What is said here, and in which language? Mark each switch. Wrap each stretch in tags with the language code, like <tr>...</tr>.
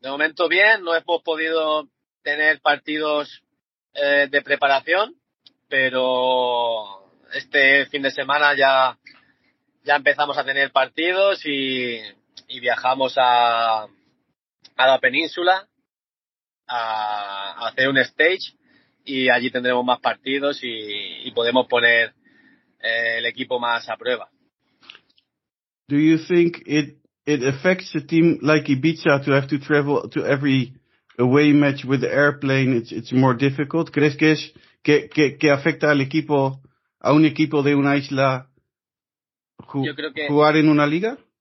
<es>De momento bien, no hemos podido tener partidos de preparación, pero este fin de semana ya empezamos a tener partidos y viajamos a la península a hacer un stage, y allí tendremos más partidos y podemos poner el equipo más a prueba.</es> <en>Do you think it affects a team like Ibiza to have to travel to every away match with the airplane? It's more difficult.</en> <es>¿Crees que es que afecta al equipo, a un equipo de una isla, jugar en una liga?</es>